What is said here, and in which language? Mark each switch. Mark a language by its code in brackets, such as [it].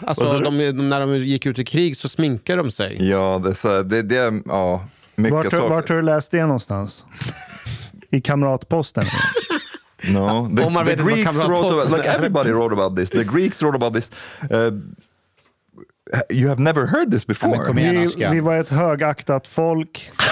[sv] Alltså, när de gick ut i krig så sminkar de sig. Ja, det är ja, mycket vart, saker. Vart har du läst det någonstans? I kamratposten? [en] No. The Greeks wrote about, like everybody wrote about this. The Greeks wrote about this. You have never heard this before. [sv] Ja, igen, vi var ett högaktat folk.